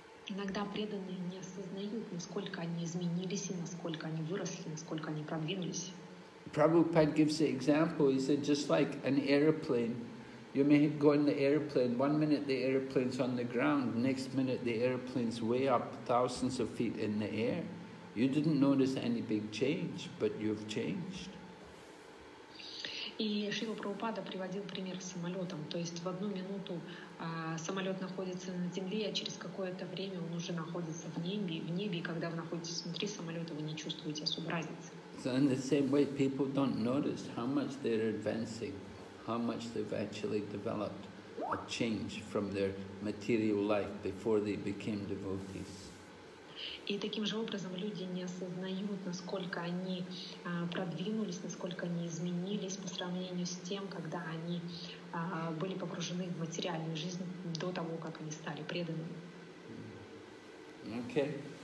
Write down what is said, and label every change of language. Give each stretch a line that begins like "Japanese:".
Russian: Иногда преданные не осознают, насколько они изменились и насколько они выросли, насколько они продвинулись.
English: Prabhupada gives the example. He said, just like an airplane, you may go in the airplane. One minute the airplane's on the ground, next minute the airplane's way up, thousands of feet in the air. You didn't notice any big change, but you've changed.
Russian: И Шрила Прабхупада приводил пример с самолетом. То есть в одну минуту самолет находится на земле, а через какое-то время он уже находится в небе, и когда вы находитесь внутри самолета, вы не чувствуете особой разницы.
English: So in the same way, people don't notice how much they're advancing, how much they've actually developed a change from their material life before they became devotees.
Russian: И таким же образом люди не осознают, насколько они продвинулись, насколько они изменились по сравнению с тем, когда они были погружены в материальную жизнь до того, как они стали преданными.
English: Okay.